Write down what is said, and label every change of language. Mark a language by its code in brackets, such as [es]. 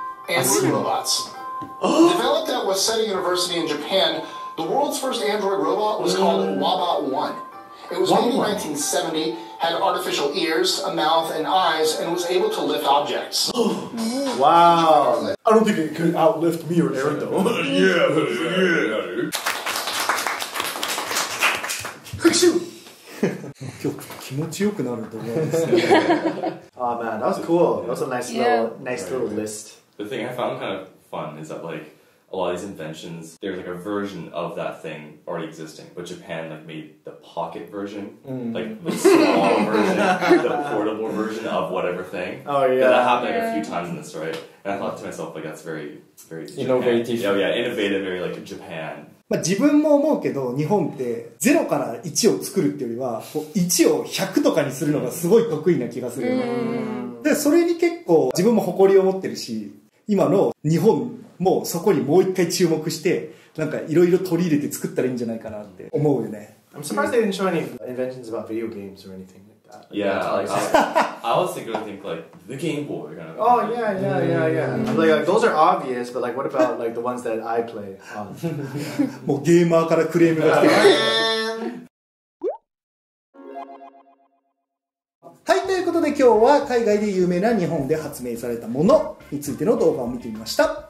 [en] And robots. Developed at Waseda University in Japan, the world's first Android robot was called Wabot 1. It was made in 1970, had artificial ears, a mouth, and eyes, and was able to lift objects. Wow. I don't think it could outlift me or Aaron, though. yeah. Kachoo! [ja] 今日気持ちよくなると思うんですよ。 [en] Aw, man, that was cool. That was a nice little list. The thing I found kind of fun is that, like, a lot of these inventions, there's like a version of that thing already existing, but Japan like made the pocket version, like the small version, the portable version of whatever thing. Oh yeah. And that happened like a few times in this, right? And I thought to myself, like that's very, very innovative. Oh yeah, innovative, very like Japan. [ja] まあ、自分も思うけど、日本って0から1を作るっていうよりは、1を100とかにするのがすごい得意な気がする。で、それに結構自分も誇りを持ってるし、今の日本もそこにもう一回注目して、なんかいろいろ取り入れて作ったらいいんじゃないかなって思うよね。 [en] I'm surprised they didn't show any inventions about video games or anything like that. Yeah, I was thinking of things like the Game Boy. Kind of. Oh, yeah. Like, those are obvious, but like, what about like, the ones that I play? [ja] もうゲーマーからクレームが来てる。はい、ということで今日は海外で有名な日本で発明されたものについての動画を見てみました。